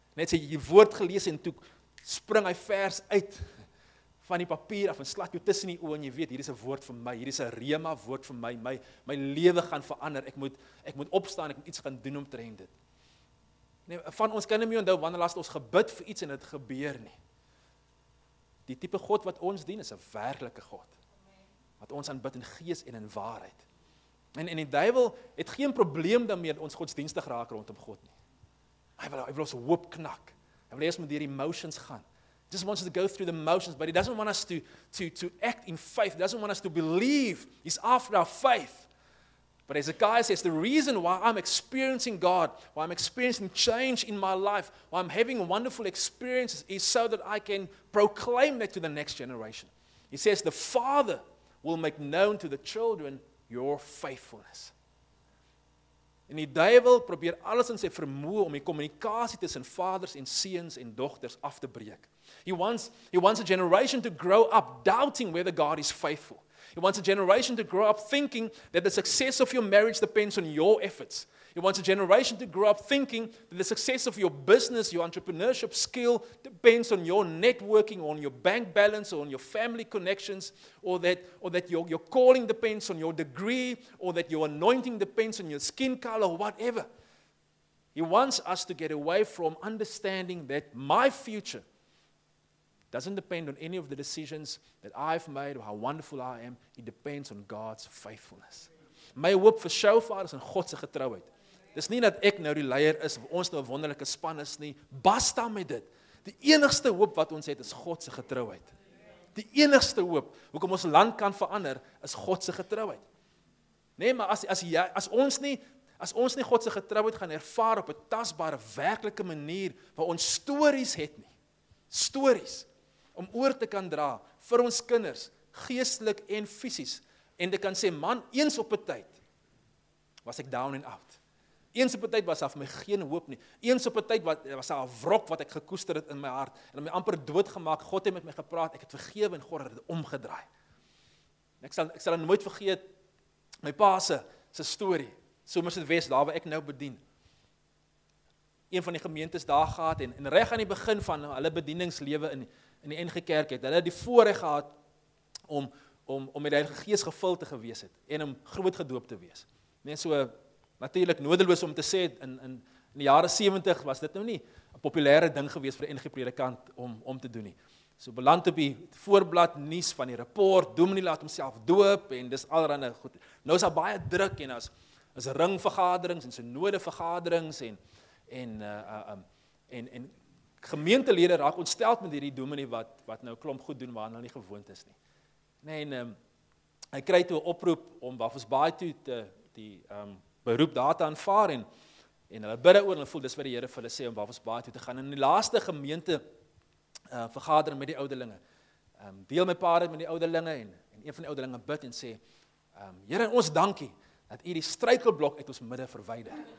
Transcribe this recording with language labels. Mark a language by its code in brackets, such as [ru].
[af] Net sê jy die woord gelees en toe spring hy vers uit van die papier af en slaat jou tussen die oë en jy weet, hier is 'n woord vir my, hier is 'n rema woord vir my, my lewe gaan verander, ek moet opstaan, ek moet iets gaan doen omtrent dit. Nee, van ons kan nie meer onthou wanneer laas het ons gebid vir iets en dit gebeur nie. Die tipe God wat ons dien is 'n werklike God. Wat ons aanbid in gees en in waarheid. En die duiwel het geen probleem daarmee ons godsdienstig raak rondom God nie. Hy wil ons hoop knak. Hy wil eers met deur die emotions gaan. [en] He just wants us to go through the motions, but he doesn't want us to act in faith. He doesn't want us to believe. He's after our faith. But Hezekiah says, the reason why I'm experiencing God, why I'm experiencing change in my life, why I'm having wonderful experiences is so that I can proclaim that to the next generation. He says, the Father will make known to the children your faithfulness. [af] En die duivel probeer alles in sy vermoë om die kommunikasie tussen vaders en seuns en dogters af te breek. [en] He wants a generation to grow up doubting whether God is faithful. He wants a generation to grow up thinking that the success of your marriage depends on your efforts. He wants a generation to grow up thinking that the success of your business, your entrepreneurship skill depends on your networking, or on your bank balance, or on your family connections, or that your calling depends on your degree, or that your anointing depends on your skin color, whatever. He wants us to get away from understanding that my future doesn't depend on any of the decisions that I've made or how wonderful I am. It depends on God's faithfulness. My hope for Shofar is in God's getrouheid. [af] Dis nie dat ek nou die leier is of ons nou 'n wonderlike span is nie. Basta met dit. Die enigste hoop wat ons het is God se getrouheid. Die enigste hoop hoekom ons land kan verander is God se getrouheid. Nee, maar as ons nie God se getrouheid gaan ervaar op 'n tasbare, werklike manier waar ons stories het nie. Stories om oor te kan dra vir ons kinders, geestelik en fisies en te kan sê, man, eens op 'n tyd was ek [en] down and out. [af] Eens op 'n tyd was daar vir my geen hoop nie. Eens op 'n tyd was daar 'n wrok wat ek gekoester het in my hart en my amper doodgemaak. God het met my gepraat, ek het vergewe en God het dit omgedraai. En ek sal nooit vergeet my pa se storie. So moes dit wees daar waar ek nou bedien. Een van die gemeentes daar gehad en reg aan die begin van hulle bedieningslewe in die NG Kerk het hulle die voorreg gehad om met die Heilige Gees gevul te gewees het en om groot gedoop te wees. Net so natuurlik nodeloos om te sê in die jare 70 was dit nou nie 'n populêre ding gewees vir 'n NG predikant om te doen nie. So beland op die voorblad nuus van die rapport, dominee laat homself doop en dis allerhande goed. Nou is daar baie druk en as ringvergaderings en synode vergaderings en gemeentelede raak ontsteld met hierdie dominee wat nou klomp goed doen waar hulle nie gewoond is nie. Nee, en hy kry toe 'n oproep om waarvoor's baie toe die beroep daar te aanvaar en hulle bid oor en hulle voel dis wat die Here vir hulle sê om waarvoor's baie toe te gaan. En in die laaste gemeente vergadering met die ouderlinge. Deel my pa dit met die ouderlinge en een van die ouderlinge bid en sê: "Here, ons dankie dat U die struikelblok uit ons midde verwyder."